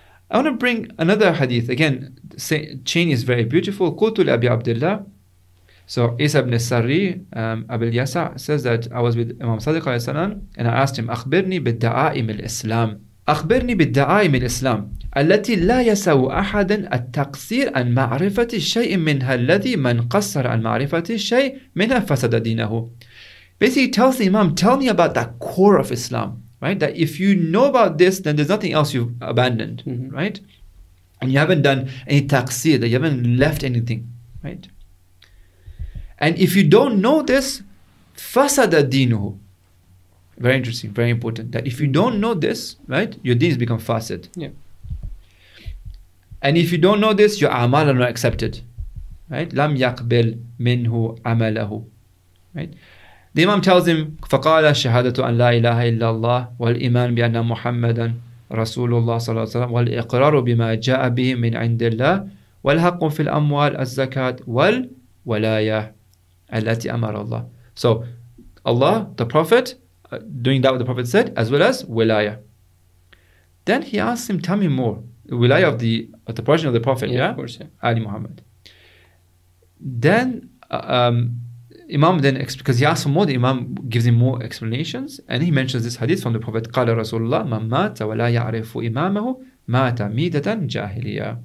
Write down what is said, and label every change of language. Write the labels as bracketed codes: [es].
[en] I want to bring another hadith. Again, the chain is very beautiful. [ar] Qultu li Abi Abdullah. [en] So Isa ibn Sari, Abil Yasa, says that I was with Imam Sadiq alayhi salam, and I asked him, [ar] Akhbirni bid da'aim al-Islam. أخبرني بالدعائم الإسلام التي لا يسوء أحدا التقصير عن معرفة شيء منها الذي من قصر عن معرفة شيء منها فسد دينه. [en] Basically, he tells the Imam, tell me about that core of Islam, right? That if you know about this, then there's nothing else you've abandoned, right? And you haven't done any taqsir, that you haven't left anything, right? And if you don't know this, [ar] فسد دينه. [en] Very interesting, very important. That if you don't know this, right, your deen has become fasid. And if you don't know this, your amal are not accepted. Right? [ar] لَمْ يَقْبِلْ مِنْهُ عَمَلَهُ. Right? [en] The Imam tells him, [ar] فَقَالَ شَهَادَةُ أَنْ لَا إِلَهَ إِلَّا اللَّهِ وَالْإِمَانُ بِأَنَّ مُحَمَّدًا رَسُولُ اللَّهِ صَلَى اللَّهُ عَلَيْهِ وَسَلَّمَ وَالْإِقْرَارُ بِمَا جَاءَ بِهِ مِنْ عِنْدِ اللَّهِ وَالْحَقُّ فِي الْأَمْوَالِ الزَّكَاةِ وَالْوَلَايَةِ الَّتِي أَمَرَ اللَّهُ. [en] So, Allah, the Prophet, doing that what the Prophet said, as well as wilaya. Then he asked him, tell me more. Wilaya of the progeny of the Prophet, Of course, Ali Muhammad. Then Imam then, because he asked for more, the Imam gives him more explanations, and he mentions this hadith from the Prophet, [ar] قَالَ رَسُولُ اللَّهِ مَنْ مَاتَ وَلَا يَعْرِفُ إِمَامَهُ مَاتَ مِيدَةً جَاهِلِيَةً.